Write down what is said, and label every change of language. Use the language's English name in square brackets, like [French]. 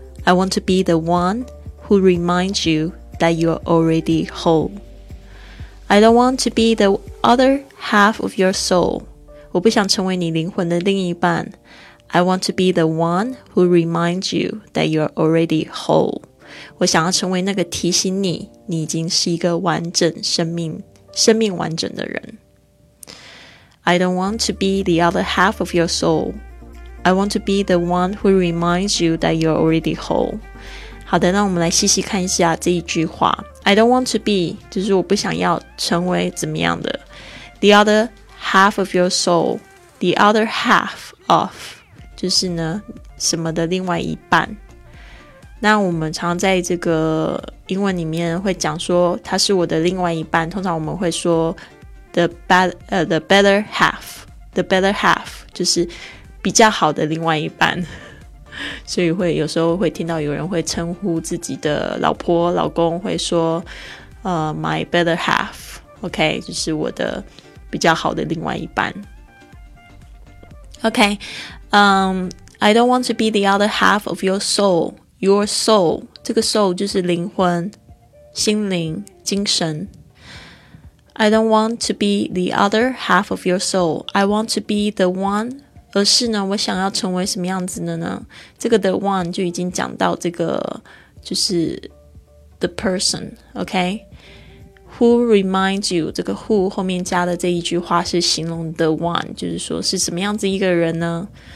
[English] I want to be the one who reminds you that you are already whole. I don't want to be the other half of your soul. [Chinese] 我不想成为你灵魂的另一半， [English] I want to be the one who reminds you that you're already whole. [Chinese] 我想要成为那个提醒你，你已经是一个完整生命，生命完整的人。 [English] I don't want to be the other half of your soul. I want to be the one who reminds you that you're already whole. [Chinese] 好的，那我们来细细看一下这一句话。 [English] I don't want to be, [Chinese] 就是我不想要成为怎么样的。 [English] The other half of your soul, the other half of... [Chinese] 就是呢什么的另外一半，那我们常在这个英文里面会讲说他是我的另外一半，通常我们会说 [English] the better half, [Chinese] the better half 就是比较好的另外一半，所以会有时候会听到有人会称呼自己的老婆老公会说 [English] my better half, [Chinese] OK, 就是我的比较好的另外一半。 [English] OK, I don't want to be the other half of your soul. Your soul, [Chinese] 这个 soul 就是灵魂、心灵、精神。 [English] I don't want to be the other half of your soul. I want to be the one. [Chinese] 而是呢，我想要成为什么样子的呢？这个 the one 就已经讲到这个，就是 [English] the person, [Chinese] OK? [English] Who reminds you, [Chinese] 这个 who 后面加的这一句话是形容 the one, 就是说是什么样子一个人呢？